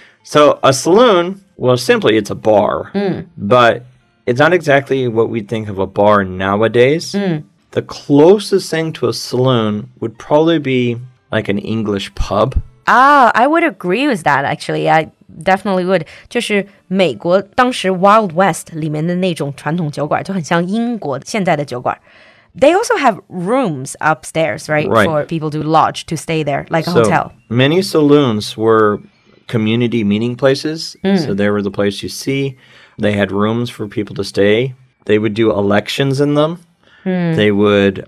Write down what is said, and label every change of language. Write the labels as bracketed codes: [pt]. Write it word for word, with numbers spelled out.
[en] So a saloon, well, simply it's a bar, mm. but it's not exactly what we think of a bar nowadays. Mm. The closest thing to a saloon would probably be like an English pub. Ah, I would agree with that, actually. I definitely would. [zh] 就是美国当时 Wild West 里面的那种传统酒馆，就很像英国现在的酒馆。 [en] They also have rooms upstairs, right? Right. For people to lodge, to stay there, like a so hotel. Many saloons were community meeting places. Mm. So they were the place you see. They had rooms for people to stay. They would do elections in them. Mm. They would...